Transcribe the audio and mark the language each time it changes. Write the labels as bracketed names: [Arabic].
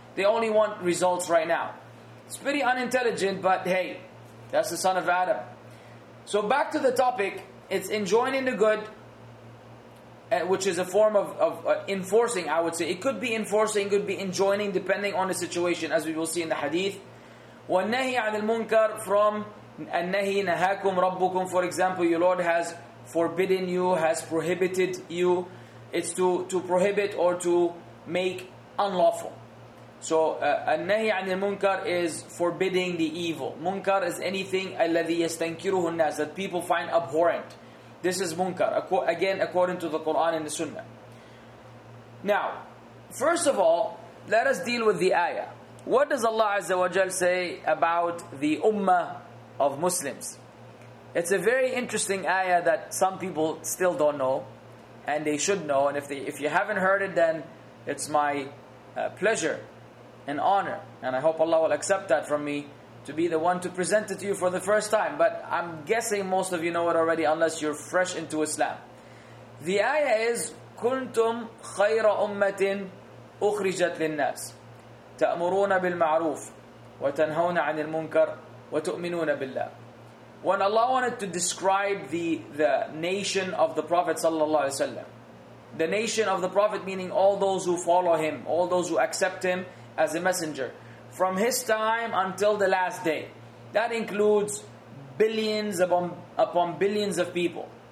[English] They only want results right now. It's pretty unintelligent, but hey, that's the son of Adam. So back to the topic, it's enjoining the good, which is a form of enforcing, I would say. It could be enforcing, it could be enjoining, depending on the situation, as we will see in the hadith. [Arabic] وَالنَّهِي عَنِ الْمُنْكَرِ [English] from [Arabic] النَّهِي نَهَاكُمْ رَبُّكُمْ. [English] For example, your Lord has forbidden you, has prohibited you. It's to prohibit or to make unlawful. So, [Arabic] النَّهِي عَنِ الْمُنْكَرِ [English] is forbidding the evil. Munkar is anything [Arabic] الَّذِي يَسْتَنْكِرُهُ النَّاسِ, [English] that people find abhorrent. This is munkar, again, according to the Quran and the Sunnah. Now, first of all, let us deal with the ayah. What does Allah Azza wa Jal say about the ummah of Muslims? It's a very interesting ayah that some people still don't know, and they should know. And if you haven't heard it, then it's my pleasure and honor. And I hope Allah will accept that from me, to be the one to present it to you for the first time. But I'm guessing most of you know it already, unless you're fresh into Islam. The ayah is, [Arabic] كُنْتُمْ خَيْرَ أُمَّةٍ أُخْرِجَتْ لِلنَّاسِ تَأْمُرُونَ بِالْمَعْرُوفِ وَتَنْهَوْنَ عَنِ الْمُنْكَرِ وَتُؤْمِنُونَ بِاللَّهِ. [English] When Allah wanted to describe the nation of the Prophet ﷺ, the nation of the Prophet meaning all those who follow him, all those who accept him as a messenger, from his time until the last day, that includes billions upon billions of people.